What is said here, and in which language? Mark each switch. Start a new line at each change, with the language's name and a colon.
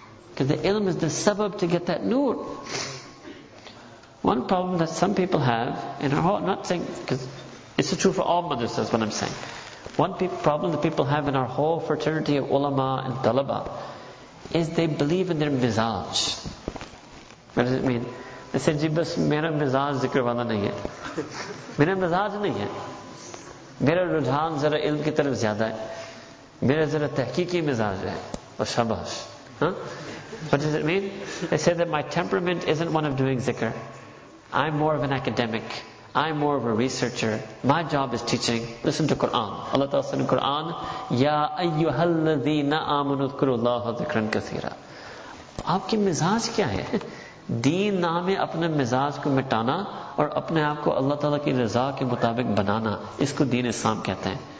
English: Because the ilm is the sabab to get that nur. One problem that some people have in our home, not saying, because it's true for all mothers, that's what I'm saying. One problem that people have in our whole fraternity of ulama and talaba is they believe in their mizaj. What does it mean? They say,
Urdu: جی، بس میرا مزاج ذکر والا نہیں ہے. میرا مزاج نہیں ہے. میرا رجحان ذرا علم کی طرف زیادہ ہے. میرا ذرا تحقیقی مزاج ہے. واہ شاباش.
English: What does it mean? They say that my temperament isn't one of doing zikr. I'm more of an academic. I'm more of a researcher. My job is teaching. Listen to Quran. Allah Ta'ala said in Quran,
Arabic: یا ایها الذین آمنوا اذکروا الله ذکرا کثیرا.
Urdu: آپکی مزاج کیا ہے؟ دین نامے اپنے مزاج کو مٹانا اور اپنے آپ کو اللہ تعالیٰ کی رضا کے مطابق بنانا، اسکو دین اسلام کہتے ہیں.